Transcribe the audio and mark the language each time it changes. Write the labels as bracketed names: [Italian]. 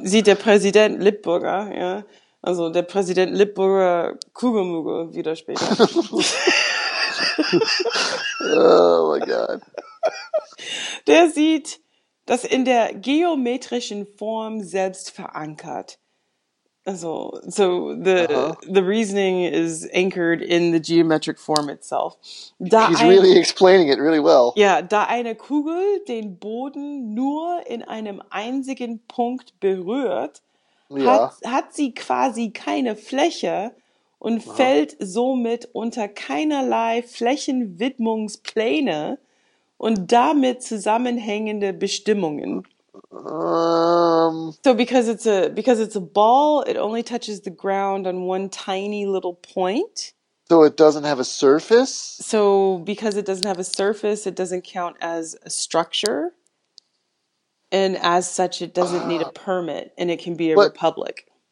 [German] sieht der Präsident Lipburger, ja, also der Präsident Lipburger Kugelmugel wieder später. Oh mein Gott. Der sieht, dass in der geometrischen Form selbst verankert. Also, so Aha. [English] the reasoning is anchored in the geometric form itself. He's really explaining it really well. [German] Da eine Kugel den Boden nur in einem einzigen Punkt berührt, Ja. hat sie quasi keine Fläche und fällt somit unter keinerlei Flächenwidmungspläne und damit zusammenhängende Bestimmungen. [English] So because it's a ball, it only touches the ground on one tiny little point. So it doesn't have a surface. So because it doesn't have a surface, it doesn't count as a structure. And as such, it doesn't need a permit and it can be a republic.